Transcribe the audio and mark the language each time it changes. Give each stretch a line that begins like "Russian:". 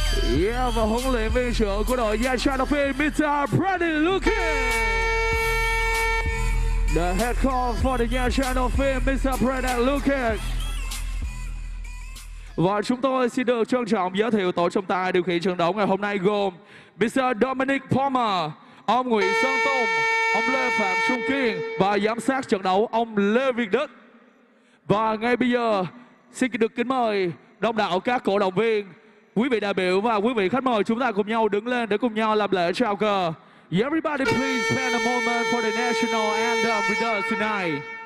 Vietnamese: Yeah, và huấn luyện viên trưởng của đội Nha Trang Dolphin, Mr. Freddy Lucas.
English: The head coach for the Nha Trang Dolphin, Mr. Freddy Lucas.
Vietnamese: Và chúng tôi xin được trân trọng giới thiệu tổ trọng tài điều khiển trận đấu ngày hôm nay gồm Mr. Dominic Palmer, ông Nguyễn Sơn Tùng, ông Lê Phạm Trung Kiên và giám sát trận đấu ông Lê Việt Đức. Và ngay bây giờ xin được kính mời đông đảo các cổ động viên, quý vị đại biểu và quý vị khách mời chúng ta cùng nhau đứng lên để cùng nhau làm lễ chào cờ.
English: Everybody please spend a moment for the national anthem with us tonight.